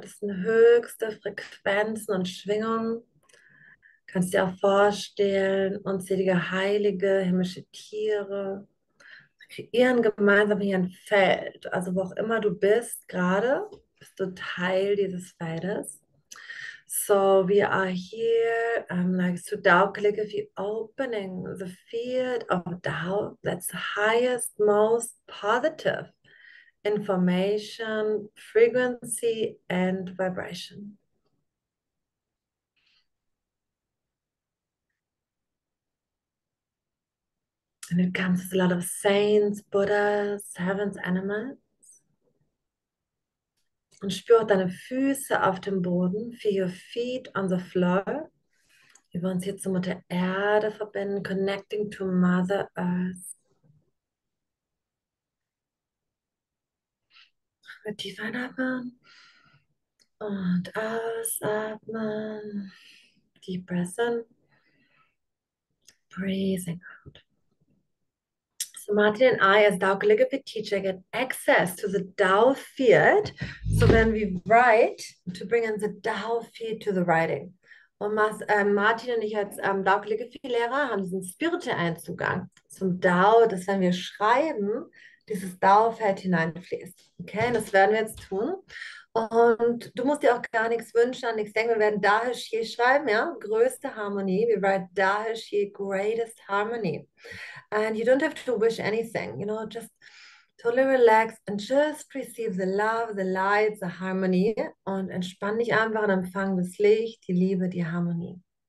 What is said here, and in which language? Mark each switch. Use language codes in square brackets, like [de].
[de] Das sind höchste Frequenzen und Schwingungen. Kannst dir auch vorstellen, unzählige heilige, himmlische Tiere kreieren gemeinsam hier ein Feld. Also wo auch immer du bist gerade, bist du Teil dieses Feldes. [en] So, we are here, like to Dao Calligraphy, opening the field of Dao, that's the highest, most positive information, frequency and vibration. And it comes with a lot of saints, Buddhas, heavens, animals. [de] Und spür auch deine Füße auf dem Boden. [en] Feel your feet on the floor. [de] Wir wollen uns hier zur Mutter Erde verbinden. [en] Connecting to Mother Earth. [de] Tief einatmen. Und ausatmen. [en] Deep breath in. Breathing out. So Martin and I as Dao Calligraphy teacher get access to the Dao field. So when we write, to bring in the Dao field to the writing. [de] Und Martin und ich als Dao Calligraphy Lehrer haben diesen spirituellen Zugang zum Dao, dass wenn wir schreiben, dieses Dao-Feld hineinfließt. Okay, das werden wir jetzt tun. Und du musst dir auch gar nichts wünschen, an nichts denken. Wir werden Dahishi schreiben, ja? Größte Harmonie. [en] We write Dahishi, greatest harmony. And you don't have to wish anything. You know, just totally relax and just receive the love, the light, the harmony. [de] Und entspann dich einfach und empfang das Licht, die Liebe, die Harmonie.